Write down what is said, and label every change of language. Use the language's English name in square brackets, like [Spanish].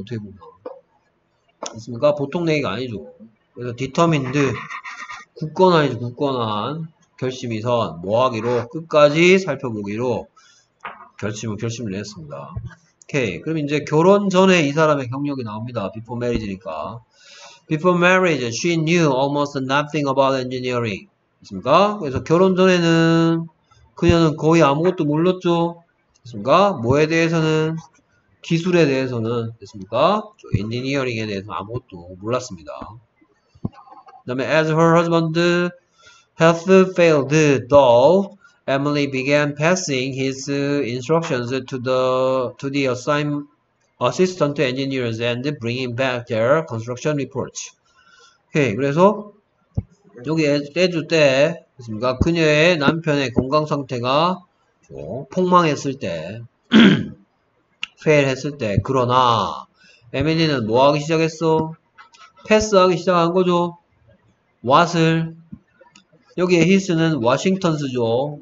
[Korean] 어떻게 보면. 그렇습니까? 보통 내기가 아니죠. 그래서 determined, 굳건한이죠. 굳건한 결심이 선 뭐하기로 끝까지 살펴보기로 결심을 내렸습니다. 오케이. 그럼 이제 결혼 전에 이 사람의 경력이 나옵니다. [English] before marriage [Korean] 니까. [English] Before marriage, she knew almost nothing about engineering. [Korean] 맞습니까? 그래서 결혼 전에는 그녀는 거의 아무것도 몰랐죠. 맞습니까? 뭐에 대해서는? 기술에 대해서는? 맞습니까? 엔지니어링에 대해서 아무것도 몰랐습니다. 그 다음에, [English] as her husband health failed, though Emily began passing his instructions to the assignment Assistant engineers and bringing back their construction reports. [Korean] Okay, 그래서 여기 애주 때 그렇습니까? 그녀의 남편의 건강 상태가 폭망했을 때, 페일했을 때, 그러나 에밀리는 뭐 하기 시작했어? 패스하기 시작한 거죠. What을 여기에 his는 Washington's죠.